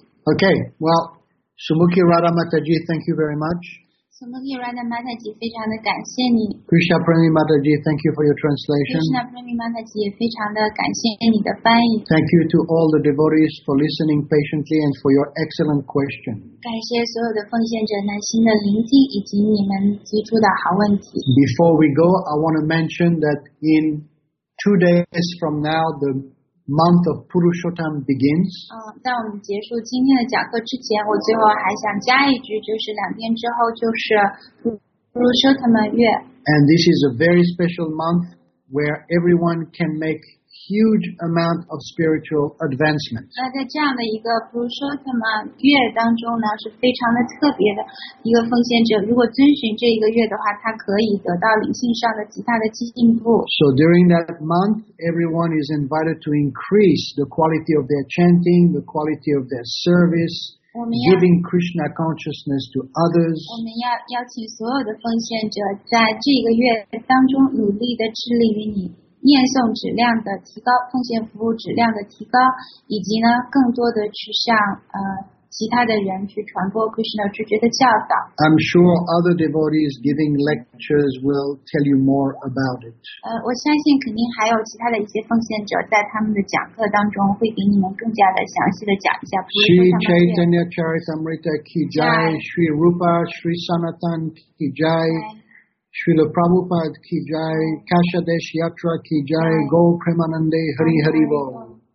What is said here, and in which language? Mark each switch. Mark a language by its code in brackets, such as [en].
[en] Okay, well, Sumukhi Radha Mataji, thank you very much. [zh] Sumukhi Radha Mataji, 非常的感谢你。 [en] Krishna Premi Mataji, thank you for your translation. [zh] Krishna Premi Mataji, 也非常的感谢你的翻译。 [en] Thank you to all the devotees for listening patiently and for your excellent question. [zh] 感谢所有的奉献者耐心的聆听以及你们提出的好问题。 [en] Before we go, I want to mention that in 2 days from now, the month of Purushottam begins. [zh] 在我们结束今天的讲课之前，我最后还想加一句，就是两天之后就是 Purushottam 月。 [en] And this is a very special month where everyone can make huge amount of spiritual advancement. [zh] 那在这样的一个普鲁舍特曼月当中呢，是非常的特别的一个奉献者。如果遵循这一个月的话，他可以得到灵性上的极大的进步。 [en] So during that month, everyone is invited to increase the quality of their chanting, the quality of their service. Giving Krishna consciousness to others. [zh] 我们要邀请所有的奉献者在这个月当中努力的致力于你念诵质量的提高，奉献服务质量的提高，以及呢更多的去向其他的人去传播 Krishna 直觉的教导。 [en] I'm sure other devotees giving lectures will tell you more about it. [zh] 我相信肯定还有其他的一些奉献者在他们的讲课当中会给你们更加的详细的讲一下。 [sa] Shri Chaitanya Charitamrita Kijai, Shri Rupa, Shri Sanatan Kijai, Shri Prabhupada Kijai, Kashadesh Yatra Kijai, Go Premanande Hari Hari Bol.